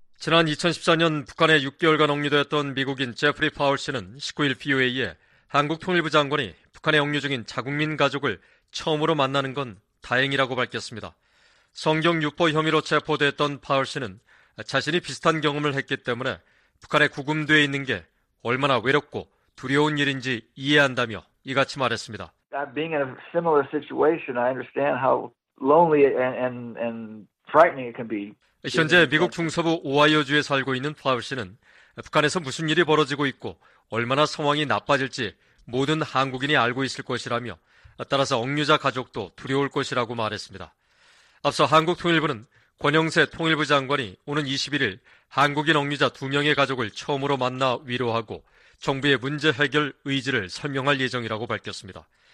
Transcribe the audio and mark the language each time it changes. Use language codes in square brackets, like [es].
[ko] 지난 2014년 북한에 6개월간 억류됐던 미국인 제프리 파울 씨는 19일 VOA에 한국 통일부 장관이 북한에 억류 중인 자국민 가족을 처음으로 만나는 건 다행이라고 밝혔습니다. 성경 유포 혐의로 체포됐던 파울 씨는 자신이 비슷한 경험을 했기 때문에 북한에 구금되어 있는 게 얼마나 외롭고 두려운 일인지 이해한다며 이같이 말했습니다. [en] Being in a similar situation, I understand how lonely and frightening it can be. [ko] 현재 미국 중서부 오하이오주에 살고 있는 파울 씨는 북한에서 무슨 일이 벌어지고 있고 얼마나 상황이 나빠질지 모든 한국인이 알고 있을 것이라며 따라서 억류자 가족도 두려울 것이라고 말했습니다. 앞서 한국통일부는 권영세 통일부 장관이 오는 21일 한국인 억류자 2명의 가족을 처음으로 만나 위로하고 정부의 문제 해결 의지를 설명할 예정이라고 밝혔습니다.